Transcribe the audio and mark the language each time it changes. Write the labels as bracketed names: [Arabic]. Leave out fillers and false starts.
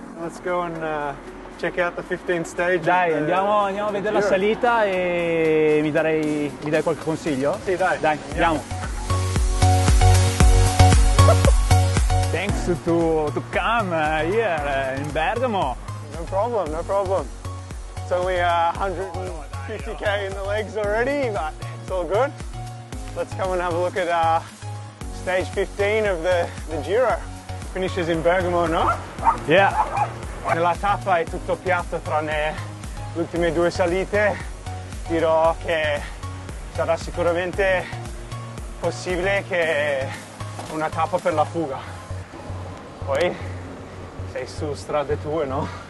[English] Let's go and check out the 15th stage. [Italian] Dai, andiamo a vedere la salita e mi dai qualche consiglio? Sì, dai. Dai, andiamo. [English] Thanks to come here in Bergamo. No problem. It's only 150k in the legs already, but it's all good. Let's come and have a look at stage 15 of the Giro. Finishes in Bergamo, no? Yeah. [Italian] Nella tappa è tutto piatto tranne le ultime due salite. Dirò che sarà sicuramente possibile che una tappa per la fuga. Poi sei su strade tue, no?